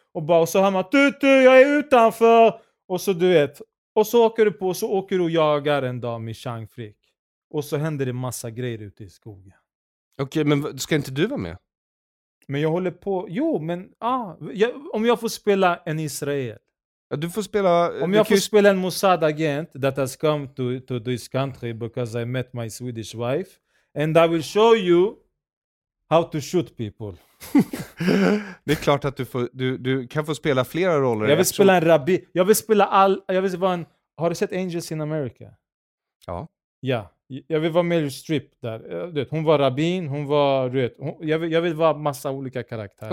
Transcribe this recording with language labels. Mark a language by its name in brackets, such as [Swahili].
[Swedish] Och så hör man, tutu, jag är utanför. Och så du vet. Och så åker du på, och så åker du och jagar en dag med Chang Frick. Och så händer det massa grejer ute i skogen. Okej, men ska inte du vara med? Men jag håller på, jo, men om jag får spela en israel. Ja, du får spela... Om jag får spela en [English] Mossad agent that has come to this country because I met my Swedish wife. And I will show you how to shoot people. [Swedish] Det är klart att du kan få spela flera roller. Jag vill spela en rabbi. Jag vill spela all. Jag vill vara en. Har du sett Angels in America? Ja. Ja. Jag vill vara Meryl Streep där. Du vet, hon var rabbin. Hon var röd. Jag vill vara massa olika karaktärer.